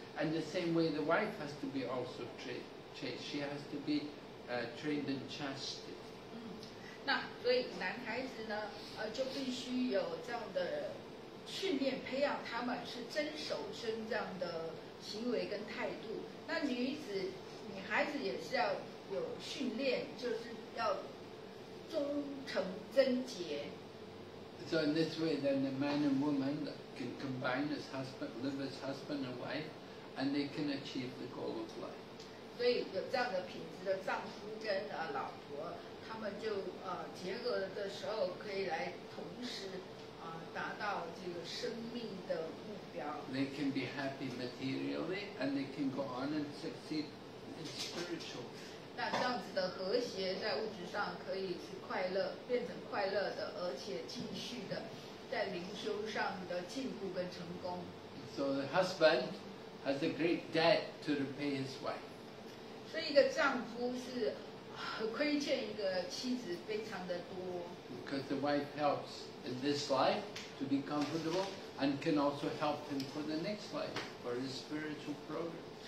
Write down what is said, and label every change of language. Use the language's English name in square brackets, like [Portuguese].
[English] And the same way the wife has to be also trained. She has to be trained in chastity. [Chinese] 那所以男孩子呢，就必须有这样的训练，培养他们是真守身这样的行为跟态度。那女孩子也是要有训练，就是要忠诚贞洁。 [English] So in this way, then the man and woman can combine as husband, live as husband and wife, and they can achieve the goal of life. [Chinese] 所以有这样的品质的丈夫跟老婆，他们就结合的时候可以来同时达到这个生命的目标。 [English] They can be happy materially, and they can go on and succeed in spiritual. [Chinese] 那这样子的和谐在物质上可以是快乐，变成快乐的，而且继续的在灵修上的进步跟成功。 [English] So the husband has a great debt to repay his wife. [Chinese] 所以一个丈夫是亏欠一个妻子非常的多。 [English] Because the wife helps in this life to be comfortable and can also help him for the next life for his spiritual progress.